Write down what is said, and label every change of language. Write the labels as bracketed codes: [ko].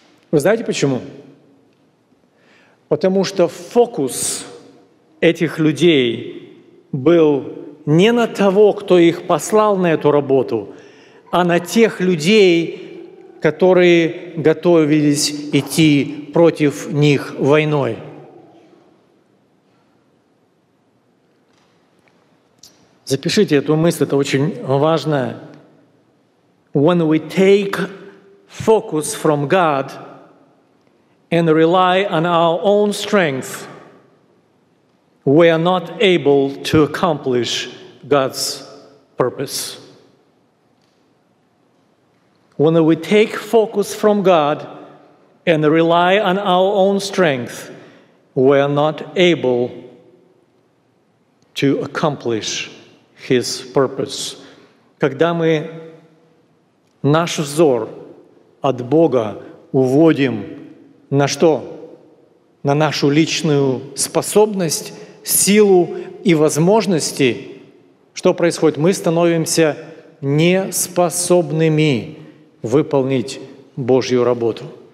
[ru] Вы знаете почему? Потому что фокус этих людей был не на того, кто их послал на эту работу, а на тех людей, которые готовились идти против них войной. Запишите эту мысль, это очень важно. [en] When we take focus from God and rely on our own strength, we are not able to accomplish God's purpose. When we take focus from God and rely on our own strength, we are not able to accomplish His purpose. [ru] Когда мы наш взор от Бога уводим на что? На нашу личную способность, силу и возможности, что происходит? Мы становимся неспособными выполнить Божью работу.